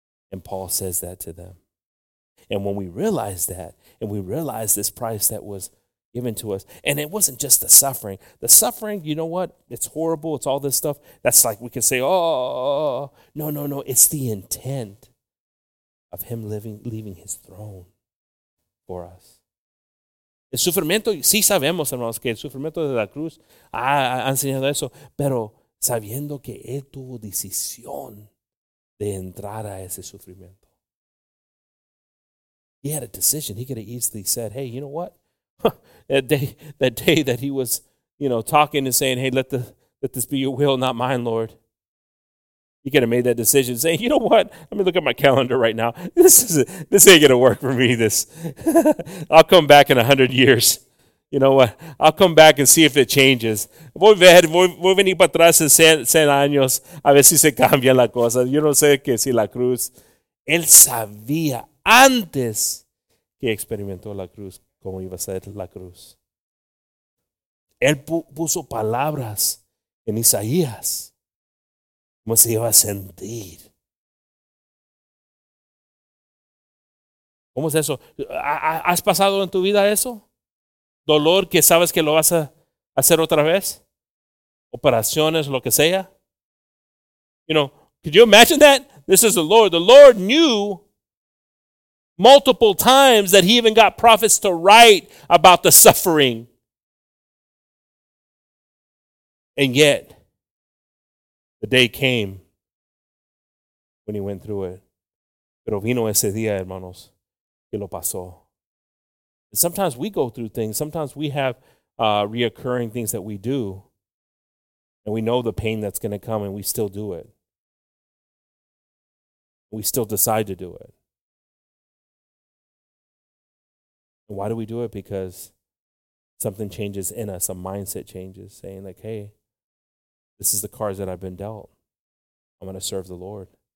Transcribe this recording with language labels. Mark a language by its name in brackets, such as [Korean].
[English] And Paul says that to them. And when we realize that, and we realize this price that was given to us, and it wasn't just the suffering. The suffering, you know what? It's horrible. It's all this stuff. That's like we can say, oh, no, no, no. It's the intent of him leaving his throne for us. [Spanish] El sufrimiento, sí sabemos, hermanos, que el sufrimiento de la cruz ha enseñado eso, pero sabiendo que él tuvo decisión de entrar a ese sufrimiento. [English] He had a decision. He could have easily said, hey, you know what? That day that he was, you know, talking and saying, hey, let this be your will, not mine, Lord. He could have made that decision saying, you know what? Let me look at my calendar right now. This ain't going to work for me. This, I'll come back in 100 years. You know what? I'll come back and see if it changes. [Spanish] Voy a ver, voy a venir para atrás en 100 años. A ver si se cambian las cosas. Yo no sé que si la cruz. Él sabía antes que experimentó la cruz cómo iba a ser la cruz. Él puso palabras en Isaías. ¿Cómo se iba a sentir? ¿Cómo es eso? ¿Has pasado en tu vida eso? ¿Dolor que sabes que lo vas a hacer otra vez? ¿Operaciones, lo que sea? [English] You know, could you imagine that? This is the Lord. The Lord knew multiple times that he even got prophets to write about the suffering. And yet, the day came when he went through it. [Spanish] Pero vino ese día, hermanos, que lo pasó. [English] And sometimes we go through things. Sometimes we have reoccurring things that we do. And we know the pain that's going to come and we still do it. We still decide to do it. And why do we do it? Because something changes in us. A mindset changes saying like, hey, this is the cards that I've been dealt. I'm going to serve the Lord.